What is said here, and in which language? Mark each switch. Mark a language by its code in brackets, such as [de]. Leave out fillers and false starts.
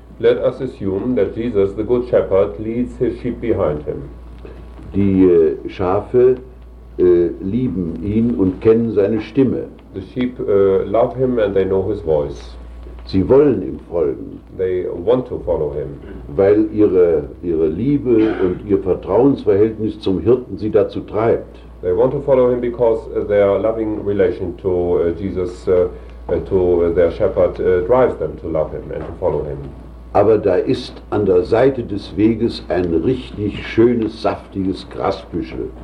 [en] Let us assume that Jesus, the good shepherd, leads his sheep behind him. [de] Die Schafe lieben ihn und kennen seine Stimme. [en] The sheep love him and they know his voice. [de] Sie wollen ihm folgen. [en] They want to follow him. [de] Weil ihre Liebe und ihr Vertrauensverhältnis zum Hirten sie dazu treibt. [en] They want to follow him because their loving relation to Jesus, to their shepherd, drives them to love him and to follow him. [de] Aber da ist an der Seite des Weges ein richtig schönes, saftiges Grasbüschel.